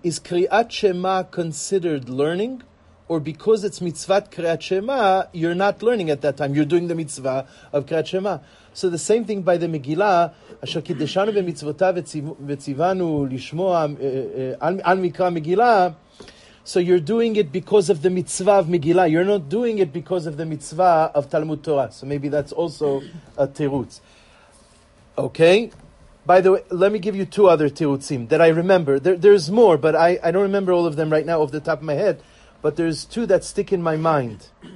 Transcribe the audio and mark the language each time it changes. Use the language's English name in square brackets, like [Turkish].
[English] Is Kriyat Shema considered learning? Or because it's mitzvah Kriyat Shema, you're not learning at that time. You're doing the mitzvah of Kriyat Shema. So the same thing by the Megillah, [Hebrew] אשר קידשנו במצוותה וציוונו לשמוע על מקרא מגילה. [English] So you're doing it because of the mitzvah of Megillah. You're not doing it because of the mitzvah of Talmud Torah. So maybe that's also a tirutz. Okay? By the way, let me give you two other tirutzim that I remember. There's more, but I don't remember all of them right now off the top of my head. But there's two that stick in my mind.